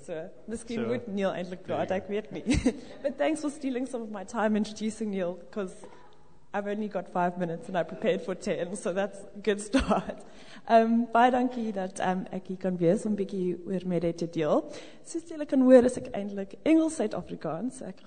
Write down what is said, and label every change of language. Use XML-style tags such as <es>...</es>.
<af>Okay. So, miskien moet Neil eintlik praat, ek weet nie.</af> <en>But thanks for stealing some of my time introducing Neil, because I've only got 5 minutes and I prepared for 10, so that's a good start.</en> <af>Baie dankie dat ek hier kan wees om bietjie oor Mede te deel. Soos jy kan hoor, is ek eintlik Engels-Suid-Afrikaans.</af>